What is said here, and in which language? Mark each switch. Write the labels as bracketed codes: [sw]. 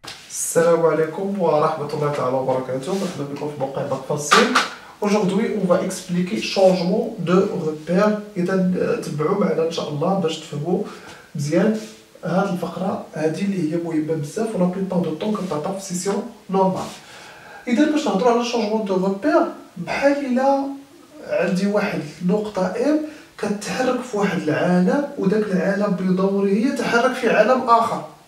[ar] السلام عليكم ورحمة الله تعالى وبركاته، مرحبا بكم في موقع بقفصين. [fr] aujourd'hui on va expliquer changement de repère. [ar] اذا تبعوا معنا ان شاء الله باش تفهموا مزيان هذه الفقره، هذه اللي هي مهمه بزاف ولا بلي [fr] طون دو طون كطاطا في سيسيون نورمال. [ar] اذا باش نهضروا على changement de repère، بحال الا عندي واحد نقطه ام كتحرك في واحد العالم، وداك العالم بدوره يتحرك في عالم اخر.